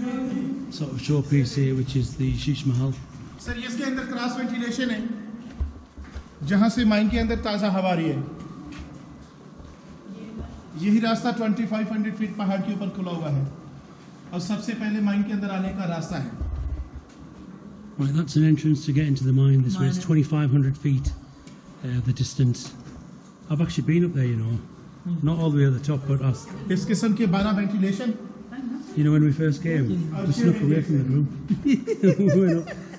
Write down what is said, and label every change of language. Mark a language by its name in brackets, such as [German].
[English] Showpiece here, which is the Shish Mahal. Sir, yes, [Hindi] ke andar cross ventilation hai. जहां से mine के अंदर ताजा हवा रही है। यही रास्ता 2500 फीट पहाड़ के ऊपर खुला हुआ है और सबसे पहले माइन के अंदर आने का रास्ता है। [English] Right, that's an entrance to get into the mine. This way, it's 2,500 feet, the distance. I've actually been up there, you know, not all the way at the top, but us. This kind of bara ventilation. You know, when we first came, we snuck away from the group.